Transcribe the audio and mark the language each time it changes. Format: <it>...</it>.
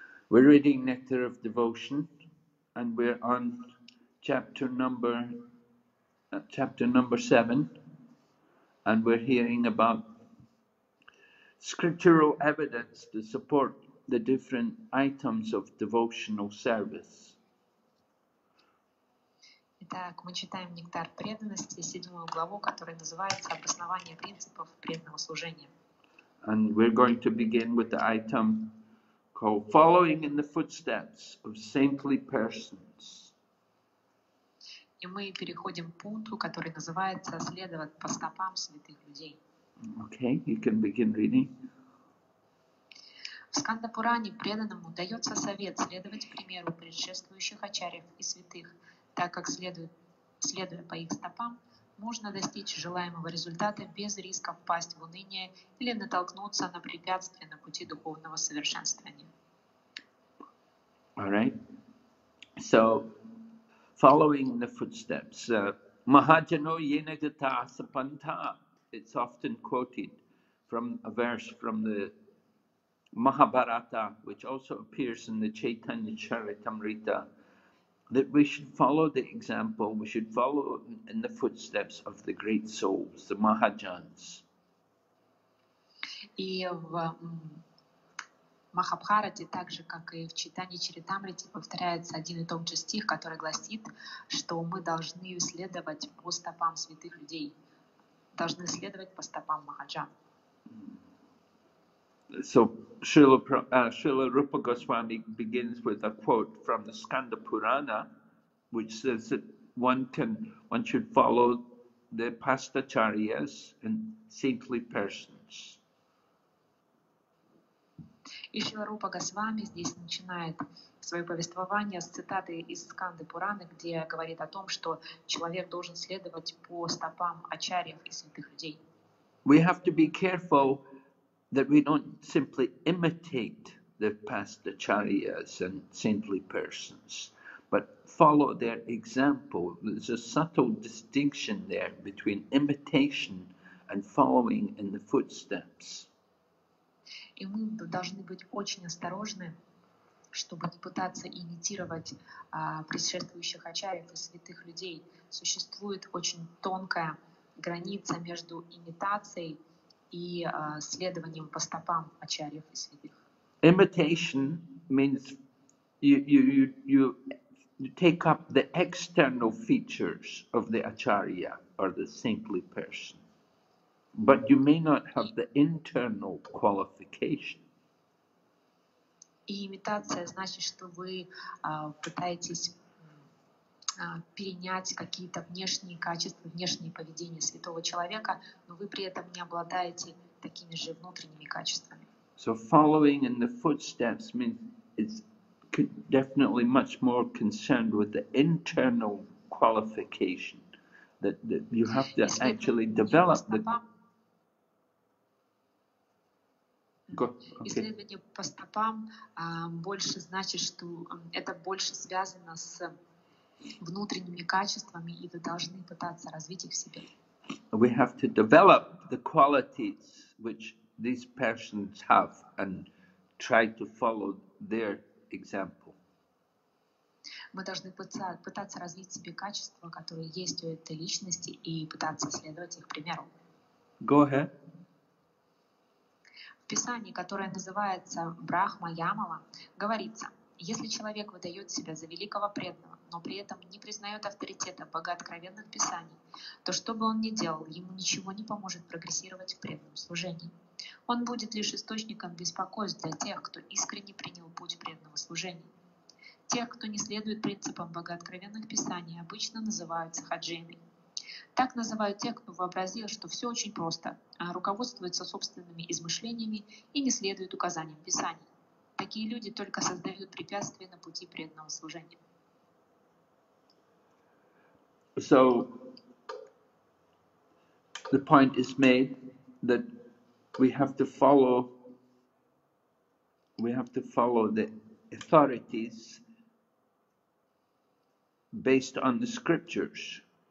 <en>We're reading Nectar of Devotion and we're on chapter number 7, and we're hearing about scriptural evidence to support the different items of devotional service.</en> <ru>Итак, мы читаем Нектар преданности, седьмую главу, которая называется «Обоснование принципов преданного служения».</ru> <en>And we're going to begin with the item called «Following in the footsteps of saintly persons».</en> <ru>И мы переходим к пункту, который называется «Следовать по стопам святых людей».</ru> <en>Okay, you can begin reading.</en> <ru>В Скандапуране преданному дается совет следовать примеру предшествующих ачарьев и святых, так как, следуя по их стопам, можно достичь желаемого результата без риска впасть в уныние или натолкнуться на препятствия на пути духовного совершенствования.</ru> <en>All right. So, following the footsteps,</en> <sa>Mahajano Yenagata Sapanta,</sa> <en>it's often quoted from a verse from the Mahabharata, which also appears in the Chaitanya Charitamrita, that we should follow the example, we should follow in the footsteps of the great souls, the Mahajans.</en> <ru>И в Махабхарате, так же, как и в Чайтанье Чаритамрите, повторяется один и тот же стих, который гласит, что мы должны следовать по стопам святых людей, должны следовать по стопам Махаджан.</ru> <en>So Srila Rupa Goswami begins with a quote from the Skanda Purana, which says that one should follow the past acharyas and saintly persons.</en> <ru>И Шрила Рупа Госвами здесь начинает свое повествование с цитаты из Сканды Пураны, где говорит о том, что человек должен следовать по стопам ачарьев и святых людей.</ru> <en>We have to be careful that we don't simply imitate the past acharyas and saintly persons, but follow their example. There's a subtle distinction there between imitation and following in the footsteps.</en> <ru>И мы должны быть очень осторожны, чтобы не пытаться имитировать предшествующих ачарьев и святых людей. Существует очень тонкая граница между имитацией и следованием по стопам ачарьев и святых.</ru> <en>Imitation means you take up the external features of the acharya or the saintly person, but you may not have the internal qualification.</en> <ru>И имитация значит, что вы пытаетесь перенять какие-то внешние качества, внешнее поведение святого человека, но вы при этом не обладаете такими же внутренними качествами.</ru> <en>So following in the footsteps means it's definitely much more concerned with the internal qualification that you have to actually develop the... Okay.</en> <ru>Исследование по стопам больше значит, что это больше связано с внутренними качествами, и вы должны пытаться развить их в себе.</ru> <en>We have to develop the qualities which these persons have and try to follow their example.</en> <ru>Мы должны пытаться развить в себе качества, которые есть у этой личности, и пытаться следовать их примеру.</ru> <en>Go ahead.</en> <ru>В Писании, которое называется «Брахма Ямала», говорится, если человек выдает себя за великого преданного, но при этом не признает авторитета богооткровенных писаний, то что бы он ни делал, ему ничего не поможет прогрессировать в преданном служении. Он будет лишь источником беспокойств для тех, кто искренне принял путь преданного служения. Тех, кто не следует принципам богооткровенных писаний, обычно называют сахаджинами. Так называют тех, кто вообразил, что все очень просто, а руководствуется собственными измышлениями и не следует указаниям писаний. Такие люди только создают препятствия на пути преданного служения.</ru> <en>So, the point is made that we have to follow the authorities based on the scriptures.</en>